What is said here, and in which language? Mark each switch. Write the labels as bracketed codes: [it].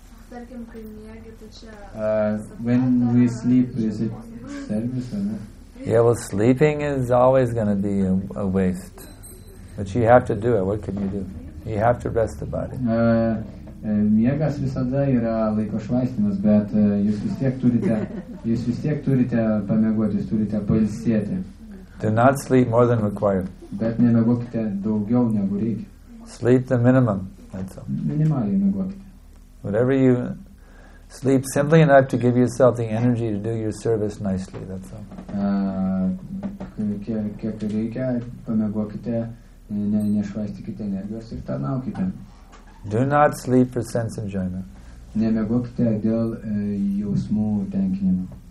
[lt] Tarkim, kai miegi, tai čia... [en] When we sleep, is it service or not? Yeah, well, sleeping is always going to be a waste. But you have to do it. What can you do? You have to rest the body. [lt] Miegas visada yra laiko švaistymas, bet jūs vis tiek turite pamiegoti, jūs turite pailsėti. [en] Do not sleep more than required. [lt] Bet nemiegokite daugiau negu reikia. [en] Sleep the minimum, that's all. [lt] Minimaliai miegokite. [en] Whatever you sleep simply enough to give yourself the energy to do your service nicely, that's all. [lt] Kiek reikia, pamiegokite, nešvaistykite energijos ir tarnaukite. [en] Do not sleep for sense enjoyment. [lt] Nemiegokite dėl jausmų tenkinimo.